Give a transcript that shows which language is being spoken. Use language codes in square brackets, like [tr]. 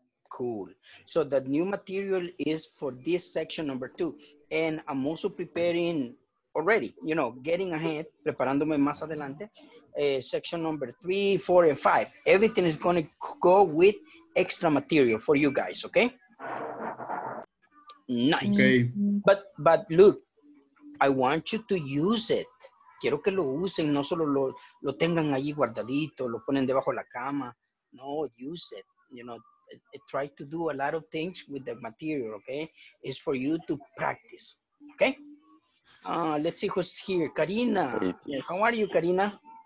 [en] Cool. So the new material is for this section number two, and I'm also preparing already, you know, getting ahead, [es] preparándome más adelante, [en] section number 3, 4, and 5. Everything is going to go with extra material for you guys, okay? Nice. Okay. But look, I want you to use it. [es] Quiero que lo usen, no solo lo tengan ahí guardadito, lo ponen debajo de la cama. [en] No, use it. You know, I try to do a lot of things with the material, okay? It's for you to practice, okay? Let's see who's here. Karina. Yes. How are you, Karina?